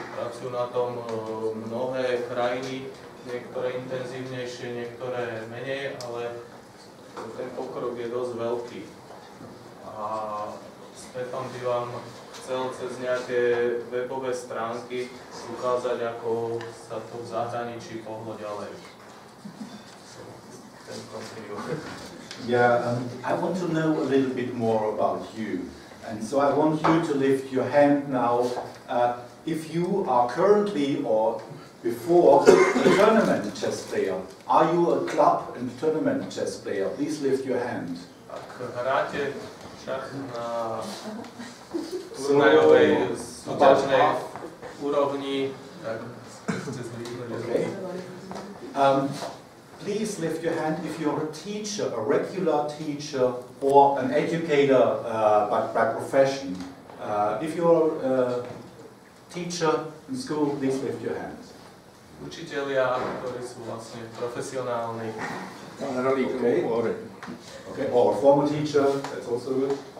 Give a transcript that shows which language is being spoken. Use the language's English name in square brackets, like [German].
[Slovak] Pracujú na tom mnohé krajiny, niektoré intenzívnejšie, niektoré menej, ale ten pokrok je dosť veľký. A Steffan by vám chcel cez nejaké webové stránky ukázať, ako sa to v zahraničí pohlo ďalej. Ten continue. [English] Yeah, I want to know a little bit more about you. And so I want you to lift your hand now. If you are currently or before a tournament chess player, are you a club and tournament chess player? Please lift your hand. [Slovak] Hráte šach na turnajovej súťažnej úrovni, tak ste zlíhli. [English] Please lift your hand if you're a teacher, a regular teacher, or an educator by profession. If you're a teacher in school, please lift your hand. [Slovak] Učitelia, ktorí sú vlastne profesionálni. [English] Okay. Or a former teacher, that's also good.